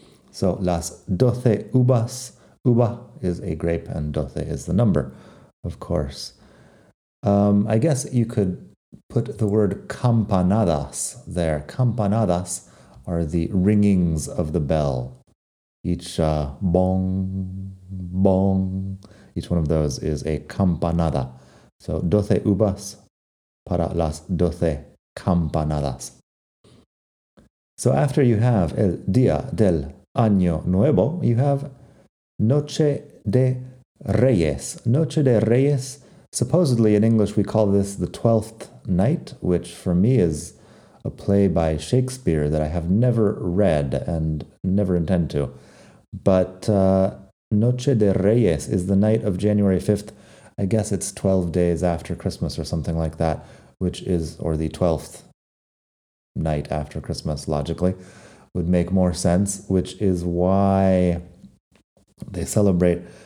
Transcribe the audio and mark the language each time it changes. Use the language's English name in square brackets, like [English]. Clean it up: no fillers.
[English] So Las Doce Uvas, uva is a grape and doce is the number, of course. I guess you could put the word campanadas there. Campanadas are the ringings of the bell. Each bong, bong, each one of those is a campanada. So, [Spanish] doce uvas para las doce campanadas. [English] So, after you have [Spanish] el día del año nuevo, [English] you have Noche de Reyes. [Spanish] Noche de Reyes. [English] Supposedly, in English, we call this the Twelfth Night, which for me is a play by Shakespeare that I have never read and never intend to. But Noche de Reyes is the night of January 5th. I guess it's 12 days after Christmas or something like that, or the 12th night after Christmas, logically, would make more sense, which is why they celebrate.